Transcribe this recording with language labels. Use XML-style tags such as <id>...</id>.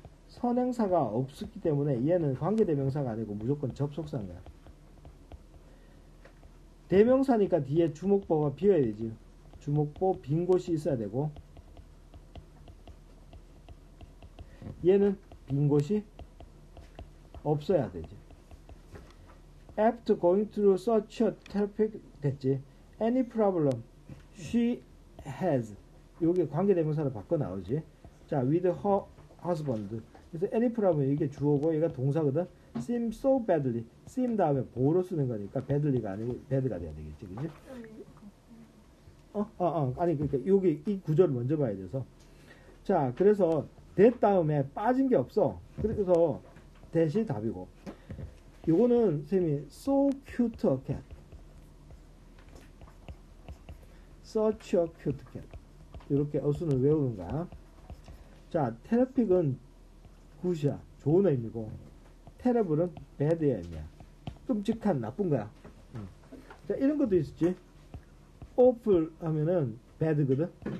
<ko>선행사가 없었기 때문에 얘는 관계대명사가 아니고 무조건 접속사야. 대명사니까 뒤에 주목보가 비어야 되지. 주목보 빈 곳이 있어야 되고, 얘는 빈 곳이 없어야 되지.</ko> <en>After going through such a traffic</en> <ko>됐지.</ko> <en>Any problem she has.</en> <ko>요게 관계대명사를 바꿔 나오지.</ko> <en>자, with her husband.</en> <ko>그래서</ko> <en>any problem</en> <ko>이게 주어고 얘가 동사거든.</ko> <en>Seem so badly.</en> <ko>Seem 다음에 보로 쓰는 거니까 badly가 아니고 bad가 돼야 되겠지. 그치? 아니 그러니까 여기 이 구절을 먼저 봐야 돼서. 자, 그래서 that 다음에 빠진 게 없어. 그래서 that이 답이고. 요거는 쌤이</ko> <en>so cute a cat. Such a cute cat.</en> <ko>이렇게 어순을 외우는 거야. 자, traffic은 굿이야. 좋은 의미고. terrible은 bad의 의미야. 끔찍한, 나쁜 거야. 자, 이런 것도 있었지. awful 하면은 bad거든.</ko>